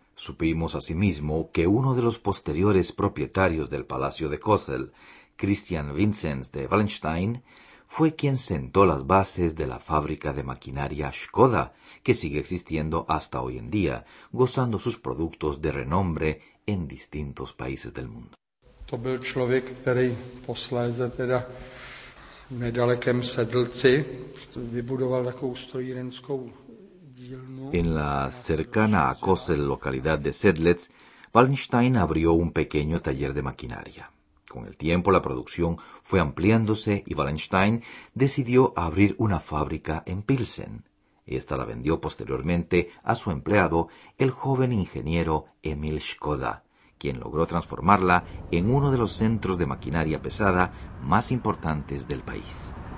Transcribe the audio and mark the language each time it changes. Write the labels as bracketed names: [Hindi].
[Spanish] Supimos asimismo que uno de los posteriores propietarios del Palacio de Kossel, Christian Vincenz de Wallenstein, fue quien sentó las bases de la fábrica de maquinaria Škoda, que sigue existiendo hasta hoy en día, gozando sus productos de renombre en distintos países del mundo. [Czech] To byl člověk, který posléze teda v nedalekém Sedlci vybudoval takovou strojírenskou dílnu. [Spanish] En la cercana a Kossel localidad de Sedlec, Wallenstein abrió un pequeño taller de maquinaria. Con el tiempo la producción fue ampliándose y Wallenstein decidió abrir una fábrica en Pilsen. Esta la vendió posteriormente a su empleado, el joven ingeniero Emil Škoda, quien logró transformarla en uno de los centros de maquinaria pesada más importantes del país.